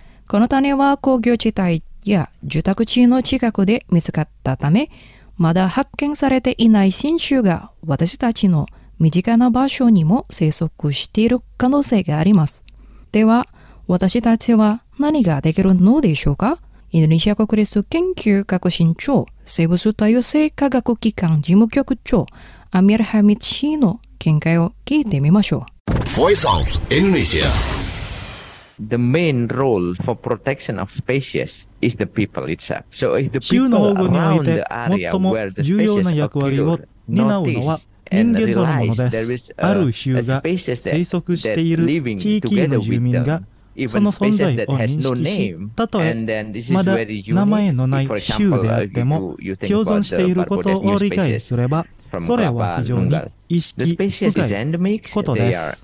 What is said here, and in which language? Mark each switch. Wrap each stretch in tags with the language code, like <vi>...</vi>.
<ja>この種は工業地帯や住宅地の近くで見つかったため、まだ発見されていない新種が私たちの身近な場所にも生息している可能性があります。では、私たちは何ができるのでしょうか？インドネシア国立研究革新庁生物多様性科学機関事務局長アミル・ハミッチの見解を聞いてみましょう。</ja> <en>Voice of Indonesia. The main role for protection of species is the people itself. So if the people around the area where the species occurs, notice. 人間とのものです。</en> <ja>ある種が生息している地域の住民がその存在を認識し、たとえまだ名前のない種であっても共存していることを理解すれば、それは非常に意識深いことです。</ja>